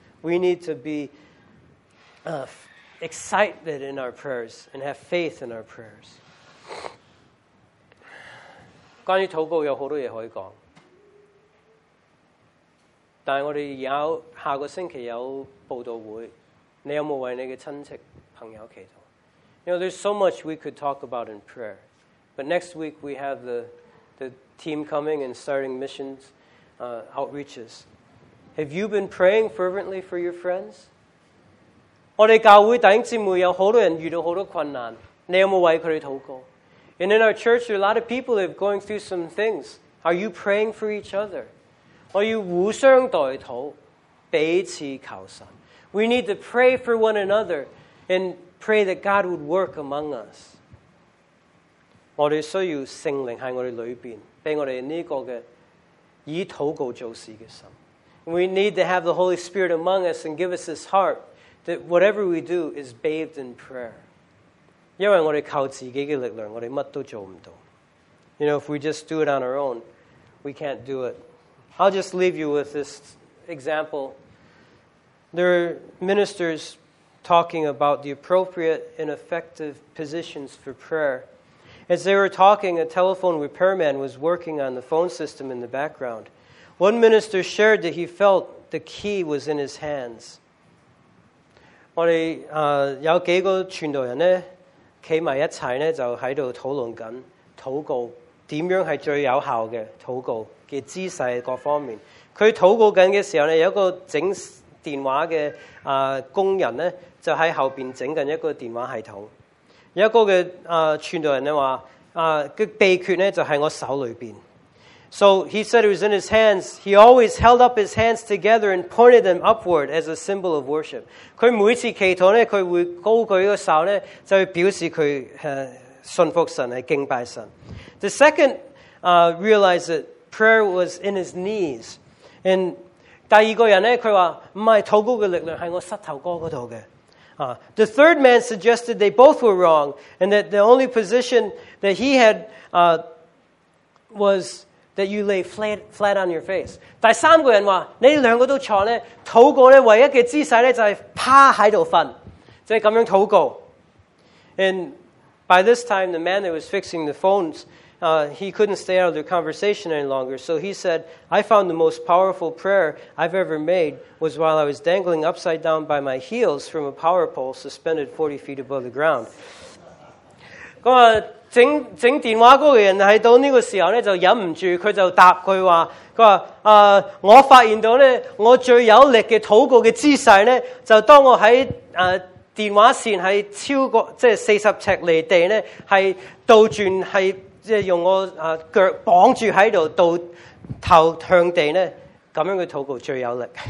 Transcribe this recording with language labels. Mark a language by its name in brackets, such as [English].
[English] We need to be excited in our prayers and have faith in our prayers. [Cantonese] 關於禱告有很多東西可以講，但我們有下個星期有報道會，你有沒有為你的親戚朋友祈禱？ [English] You know, there's so much we could talk about in prayer. But next week we have the team coming and starting missions, outreaches. Have you been praying fervently for your friends? [Cantonese] 我們教會弟兄姊妹有很多人遇到很多困難，你有沒有為他們禱告？ [English] And in our church, there are a lot of people that are going through some things. Are you praying for each other? [Cantonese] 我要互相代禱，彼此求神。 [English] We need to pray for one another and pray that God would work among us. [Cantonese] 我們需要聖靈在我們裏面，給我們這個以禱告做事的心。 [English] We need to have the Holy Spirit among us and give us this heart that whatever we do is bathed in prayer. [Cantonese] 因為我們靠自己的力量，我們什麼都做不到。 [English] You know, if we just do it on our own, we can't do it. I'll just leave you with this example. There are ministers talking about the appropriate and effective positions for prayer. As they were talking, a telephone repairman was working on the phone system in the background. One minister shared that he felt the key was in his hands. [Cantonese] 我們有幾個傳道人站在一起呢，就在討論緊禱告怎樣是最有效的禱告的姿勢各方面。他禱告緊的時候呢，有一個整電話的工人呢，就在後面整緊一個電話系統。有一個傳道人說秘訣呢，就在我手裏面。 [English] So he said it was in his hands. He always held up his hands together and pointed them upward as a symbol of worship. [Cantonese] 他每次祈禱呢，他會高舉個手呢，就表示他信服神，敬拜神。 [English] The second realized that prayer was in his knees. [Cantonese] And 第二個人呢，他說不是，禱告的力量是我膝頭哥那裡的。 [English] The third man suggested they both were wrong and that the only position that he had was that you lay flat on your face. [Cantonese] 第三個人說你們兩個都錯呢，禱告呢唯一的姿勢呢，就是趴在那裡睡，就是這樣禱告。 [English] And by this time the man that was fixing the phones, he couldn't stay out of their conversation any longer, so he said, I found the most powerful prayer I've ever made was while I was dangling upside down by my heels from a power pole suspended 40 feet above the ground. [Cantonese] 整電話的人在這個時候呢，就忍不住，他就答他說，我發現到呢，我最有力的禱告的姿勢呢，就當我在電話線是超過即是40尺離地呢，是倒轉，是即係用我腳綁住喺度，到頭向地咧，咁樣嘅禱告最有力。